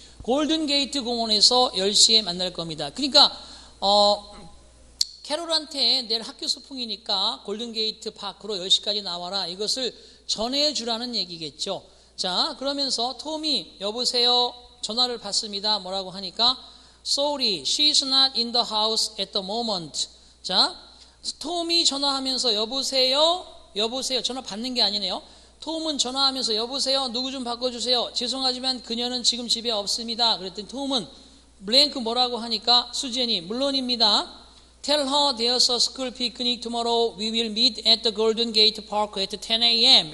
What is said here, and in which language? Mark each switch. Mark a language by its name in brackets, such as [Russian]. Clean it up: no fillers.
[Korean] 골든 게이트 공원에서 10시에 만날 겁니다. 그러니까 캐롤한테 내일 학교 소풍이니까 골든 게이트 파크로 10시까지 나와라. 이것을 전해주라는 얘기겠죠. 자, 그러면서 톰이 여보세요 전화를 받습니다. 뭐라고 하니까 [English] Sorry, she's not in the house at the moment. [Korean] 자, 톰이 전화하면서 여보세요? 여보세요? 전화 받는 게 아니네요. 톰은 전화하면서 여보세요? 누구 좀 바꿔주세요. 죄송하지만 그녀는 지금 집에 없습니다. 그랬더니 톰은 블랭크 뭐라고 하니까 수제니 물론입니다. [English] Tell her there's a school picnic tomorrow. We will meet at the Golden Gate Park at 10 a.m.